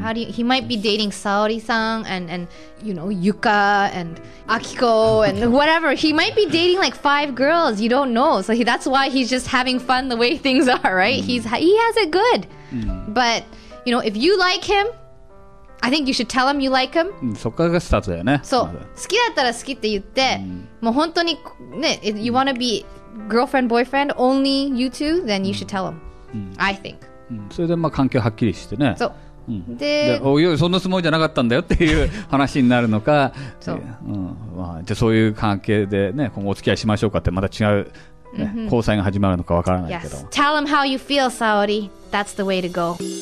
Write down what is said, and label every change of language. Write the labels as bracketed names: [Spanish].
[English] How do you, he might be dating Saori-san and you know, Yuka and Akiko and whatever. He might be dating like 5 girls. You don't know. So he, that's why he's just having fun the way things are, right?、 [Japanese] うん、 [English] he has it good. But, you know, if you like him, I think you should tell him you like him. [Japanese] そこがスタートだよね。そう、ま、好きだったら好きって言って、うん、もう本当にね、 [English] You wanna be girlfriend, boyfriend, only you two, then you should tell him、うん、I think、う [Japanese] ん、それでまあ環境はっきりしてね。そう、うん、でおいおいそんなつもりじゃなかったんだよっていう話になるのかそう、うんまあ、じゃあそういう関係で、ね、今後お付き合いしましょうかってまた違う、ね mm-hmm. 交際が始まるのかわからないけど [English] Yes, tell him how you feel, Saori. That's the way to go.